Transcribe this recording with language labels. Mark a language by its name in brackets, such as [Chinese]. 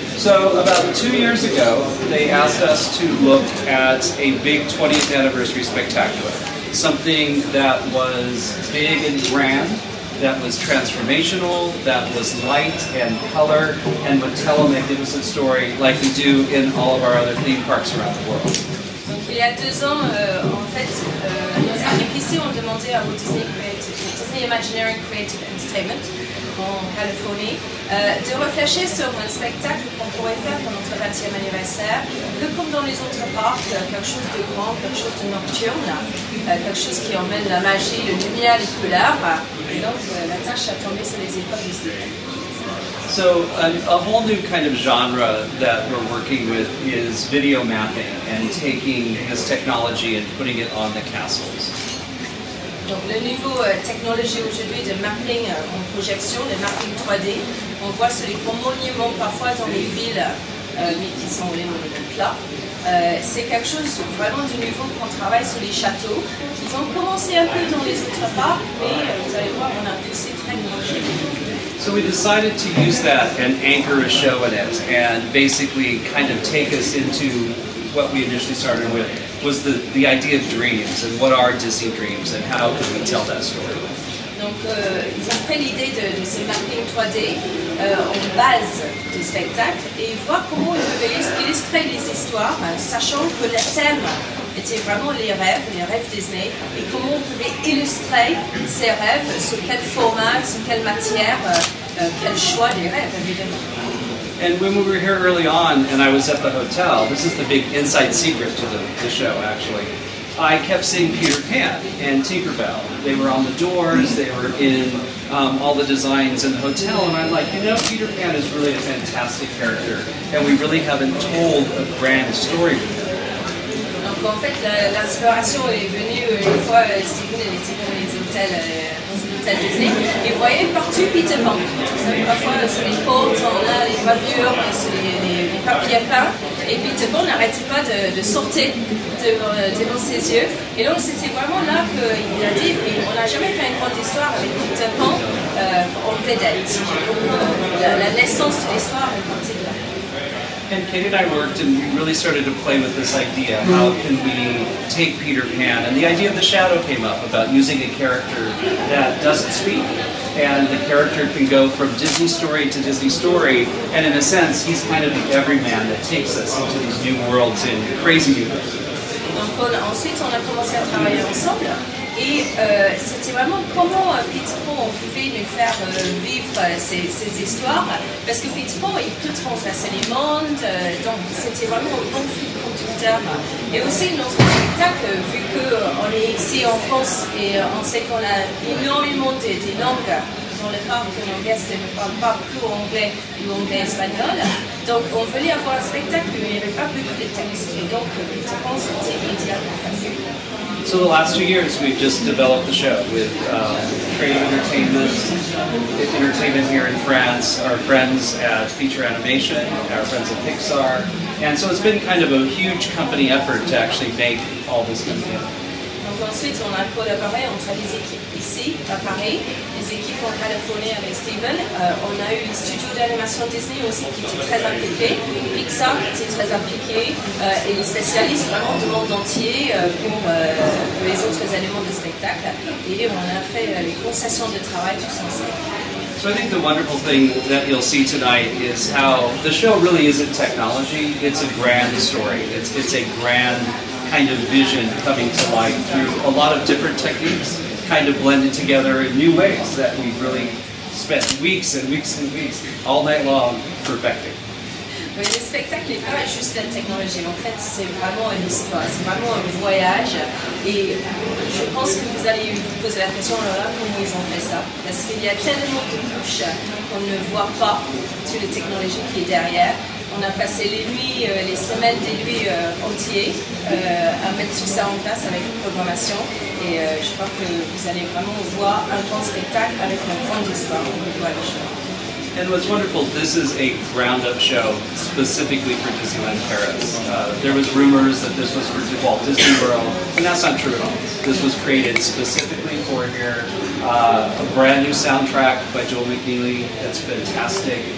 [English] So, about 2 years ago, they asked us to look at a big 20th anniversary spectacular. Something that was big and grand, that was transformational, that was light and color, and would tell a magnificent story like we do in all of our other theme parks around the world. [French] Donc, il y a deux ans, en fait, nos arrivistes ont demandé à Walt Disney Creative, Disney Imagineering Creative Entertainment, en Californie, de réfléchir sur un spectacle qu'on pourrait faire pour notre 20e anniversaire, que comme dans les autres parcs, quelque chose de grand, quelque chose de nocturne, quelque chose qui emmène la magie, la lumière, les couleurs. Et donc, la tâche a tombé sur les épaules de Disney. [English] So a whole new kind of genre that we're working with is video mapping and taking this technology and putting it on the castles. [French] Donc le niveau technologie aujourd'hui de mapping en projection, le mapping 3D, on voit sur les grands monuments parfois dans les villes qui sont les monuments plats. C'est quelque chose vraiment du niveau qu'on travaille sur les châteaux. Ils ont commencé un peu dans les autres parcs, mais vous allez voir, on a poussé très loin. [English] So we decided to use that and anchor a show in it and basically kind of take us into what we initially started with was the idea of dreams and what are Disney dreams and how can we tell that story. [French] Donc, après l'idée de ce mapping 3D en base du spectacle et voir comment on peut illustrer les histoires, sachant que le thème était vraiment les rêves Disney, et comment on pouvait illustrer ces rêves, sous quel format, sous quelle matière, quel choix des rêves, évidemment. [English] And when we were here early on, and I was at the hotel, this is the big inside secret to the show, actually. I kept seeing Peter Pan and Tinkerbell. They were on the doors, they were in all the designs in the hotel, and I'm like, you know, Peter Pan is really a fantastic character, and we really haven't told a grand story with him. [French] Donc, en fait, l'inspiration est venue une fois, Stephen était dans les hôtels Disney, et voyait partout Peter Pan. Vous savez, parfois, sur les portes, on a les gravures, sur les papiers peints, et Peter Pan n'arrêtait pas de sortir devant ses yeux. Et donc, c'était vraiment là qu'il a dit, on n'a jamais fait une grande histoire avec Peter Pan en vedette. La naissance de l'histoire est partie de là. [English] And Kate and I worked and we really started to play with this idea, how can we take Peter Pan? And the idea of the shadow came up about using a character that doesn't speak. And the character can go from Disney story to Disney story. And in a sense, he's kind of the everyman that takes us into these new worlds in crazy new worlds. [French] Ensuite, on a commencé à travailler ensemble. Et c'était vraiment comment Peter Pan pouvait nous faire vivre ces histoires. Parce que Peter Pan, il peut transverser les mondes. Donc, c'était vraiment un bon fil conducteur. Et aussi, notre spectacle, vu qu'on est ici en France et on sait qu'on a énormément de langues dans le parc, que nos guests ne parlent pas que anglais ou anglais-espagnol. Donc, on voulait avoir un spectacle, mais il n'y avait pas beaucoup de textes. Et donc, Peter Pan, c'était idéalement facile. [English] So the last 2 years, we've just developed the show with Creative Entertainment here in France, our friends at Feature Animation, our friends at Pixar, and so it's been kind of a huge company effort to actually make all this come together. [French] Donc ensuite, on a collaboré entre les équipes ici, à Paris, les équipes en Californie avec Steven. On a eu les studios d'animation Disney aussi qui étaient très impliqués, Pixar qui était très impliqué, et les spécialistes vraiment du monde entier pour les autres éléments du spectacle. Et on a fait les concessions de travail tous ensemble. [English] So I think the wonderful thing that you'll see tonight is how the show really isn't technology, it's a grand story. It's a grand kind of vision coming to life through a lot of different techniques kind of blended together in new ways that we've really spent weeks and weeks and weeks, all night long, perfecting. [French] Mais le spectacle n'est pas juste la technologie, en fait c'est vraiment une histoire, c'est vraiment un voyage et je pense que vous allez vous poser la question alors comment ils ont fait ça, parce qu'il y a tellement de couches qu'on ne voit pas toutes les technologies qui est derrière. On a passé les nuits, les semaines des nuits entières à mettre tout ça en place avec une programmation et je crois que vous allez vraiment voir un grand spectacle avec une grande histoire au niveau de la chose. [English] And what's wonderful, this is a ground-up show specifically for Disneyland Paris. There was rumors that this was for Walt Disney World, and that's not true at all. This was created specifically for here. A brand new soundtrack by Joel McNeely, that's fantastic.